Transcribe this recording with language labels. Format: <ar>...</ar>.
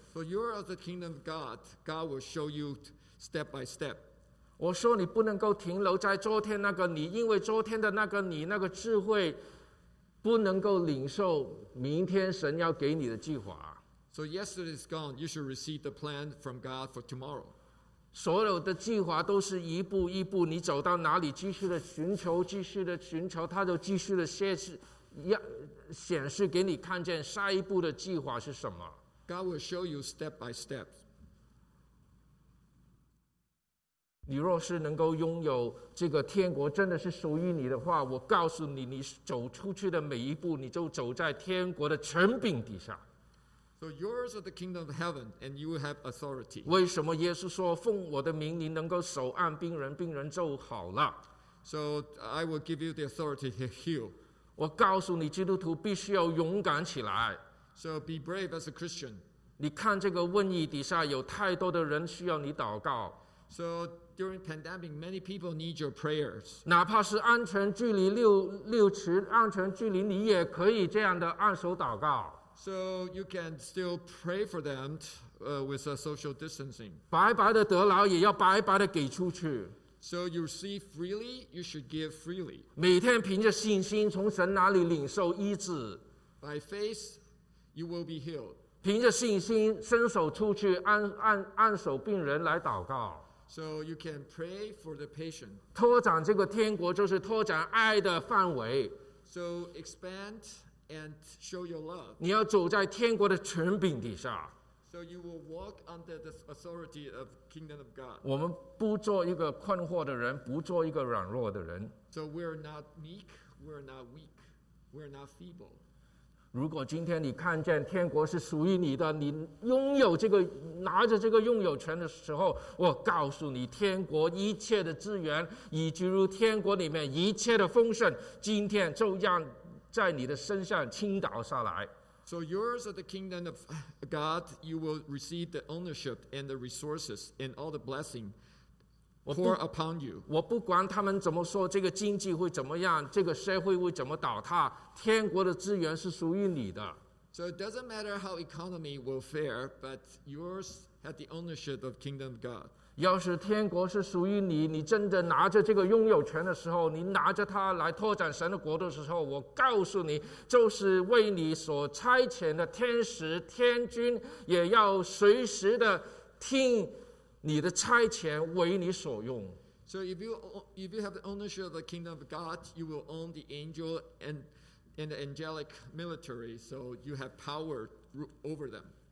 <en>So you're of the kingdom of God, God will show you step by step.</en> <zh>我说你不能够停留在昨天那个你，因为昨天的那个你，那个智慧不能够领受明天神要给你的计划。</zh> <en>So yesterday is gone. You should receive the plan from God for tomorrow.</en> <zh>所有的计划都是一步一步，你走到哪里，继续的寻求，继续的寻求，他就继续的显示给你看见下一步的计划是什么。</zh> <en>God will show you step by step.</en> <zh>你若是能够拥有这个天国，真的是属于你的话，我告诉你，你走出去的每一步，你就走在天国的权柄底下。</zh> <en>So yours is the kingdom of heaven, and you have authority.</en> <zh>为什么耶稣说奉我的名你能够手按病人，病人就好了？</zh> <en>So I will give you the authority to heal.</en> <zh>我告诉你，基督徒必须要勇敢起来。</zh> <en>So be brave as a Christian.</en> <zh>你看这个瘟疫底下有太多的人需要你祷告。</zh> <en>So during pandemic, many people need your prayers.</en> <zh>哪怕是安全距离六尺安全距离，你也可以这样的按手祷告。</zh> <en>So you can still pray for them with a social distancing.</en> <zh>白白的得劳也要白白的给出去。</zh> <en>So you receive freely, you should give freely.</en> <zh>每天凭着信心从神那里领受医治。</zh> <en>By faith, you will be healed.</en> <zh>凭着信心伸手出去按手病人来祷告。</zh> <en>So you can pray for the patient.</en> <zh>拓展这个天国就是拓展爱的范围。</zh> <en>So expand. And show your love.</en> <zh>你要走在天国的权柄底下。</zh> <en>So you will walk under the authority of the kingdom of God.</en> <zh>我们不做一个困惑的人，不做一个软弱的人。</zh> <en>So we're not meek, we're not weak, we're not feeble.</en> <zh>如果今天你看见天国是属于你的，你拥有这个，拿着这个拥有权的时候，我告诉你，天国一切的资源，以及如天国里面一切的丰盛，今天就让。在你的身上倾倒下来。</zh> <en>So yours is the kingdom of God. You will receive the ownership and the resources and all the blessing pour upon you.</en> <zh>我不管他们怎么说，这个经济会怎么样，这个社会会怎么倒塌，天国的资源是属于你的。</zh> <en>So it doesn't matter how economy will fare, but yours has the ownership of kingdom of God.</en> <zh>要是天国是属于你，你真的拿着这个拥有权的时候，你拿着它来拓展神的国度的时候，我告诉你，就是为你所差遣的天使天君也要随时的听你的差遣为你所用。</zh> <en>So if you have the ownership of the kingdom of God, you will own the angel and the angelic military, so you have power over them.</en>